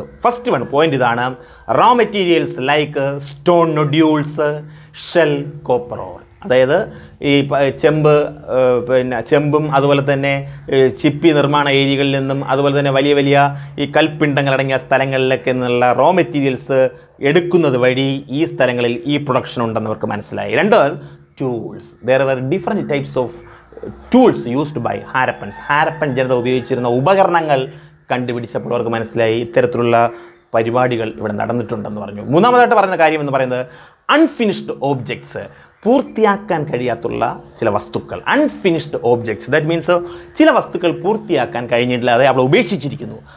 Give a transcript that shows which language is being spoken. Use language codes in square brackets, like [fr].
[en] First one point ഇതാണ്, raw materials like stone nodules, shell, copper ore. [ml] അതായത് ഈ ചെമ്പ്, പിന്നെ ചെമ്പും അതുപോലെ തന്നെ ചിപ്പി നിർമ്മാണ ഏരിയകളിൽ നിന്നും, അതുപോലെ തന്നെ വലിയ വലിയ ഈ കൽപ്പിണ്ടങ്ങളടങ്ങിയ സ്ഥലങ്ങളിലൊക്കെ നിന്നുള്ള റോ മെറ്റീരിയൽസ് എടുക്കുന്നത് വഴി ഈ സ്ഥലങ്ങളിൽ ഈ പ്രൊഡക്ഷൻ ഉണ്ടെന്ന് അവർക്ക് മനസ്സിലായി. രണ്ട്, tools. [en] There were different types of tools used by Harappans. [ml] Harappan ജനത ഉപയോഗിച്ചിരുന്ന ഉപകരണങ്ങൾ കണ്ടുപിടിച്ചപ്പോൾ അവർക്ക് മനസ്സിലായി ഇത്തരത്തിലുള്ള പരിപാടികൾ ഇവിടെ നടന്നിട്ടുണ്ടെന്ന് പറഞ്ഞു. മൂന്നാമതായിട്ട് പറയുന്ന കാര്യം എന്ന് പറയുന്നത്, അൺഫിനിഷ്ഡ് ഓബ്ജക്ട്സ്, പൂർത്തിയാക്കാൻ കഴിയാത്തുള്ള ചില വസ്തുക്കൾ. [en] unfinished objects that means [ml] ചില വസ്തുക്കൾ പൂർത്തിയാക്കാൻ കഴിഞ്ഞിട്ടില്ല, അതായത് അവിടെ ഉപേക്ഷിച്ചിരിക്കുന്നു.